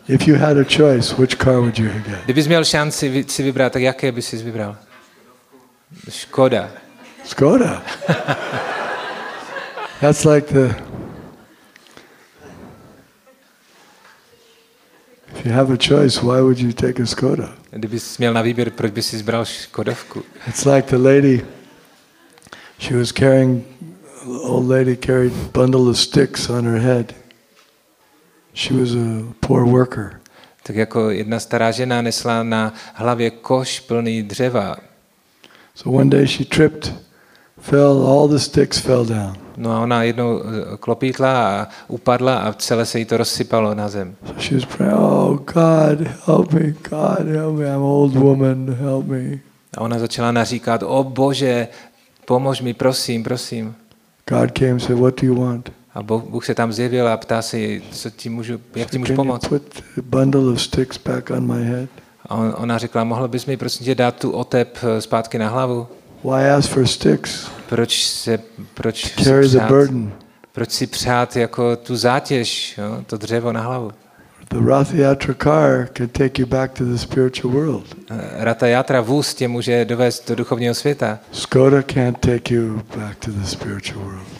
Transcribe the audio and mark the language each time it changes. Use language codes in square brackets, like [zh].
[en] If you had a choice, which car would you get? [cs] Kdybys měl šanci si vybrat, tak jaké bys si vybral? Škoda. Škoda? [en] That's like the... If you have a choice, why would you take a Skoda? [cs] Kdybys měl na výběr, proč bys si vybral Škodovku? [en] It's like the lady, she was carrying, old lady carried bundle of sticks on her head. She was a poor worker. [cs] Tak jako jedna stará žena nesla na hlavě koš plný dřeva. [en] So one day she tripped, fell, all the sticks fell down. [cs] No a ona jednou klopítla a upadla a celé se jí to rozsypalo na zem. [en] So she was praying, oh God, help me, I'm old woman, help me. [cs] A ona začala naříkat, o Bože, pomož mi, prosím, prosím. [en] God came and said, what do you want? [cs] A Bůh se tam zjevil a ptá se, co ti můžu, jak ti můžu pomoct? [en] Can you put a bundle of sticks back on my head? [cs] A ona řekla, mohl bys mi prosím tě dát tu otep zpátky na hlavu? [en] Why ask for sticks? [cs] Proč [en] to carry the burden? [cs] Proč si přát jako tu zátěž, jo, to dřevo na hlavu? [en] The Rath Yatra car can take you back to the spiritual world. [cs] Ratha Yatra vůz tě může dovést do duchovního světa. [en] Skoda can't take you back to the spiritual world.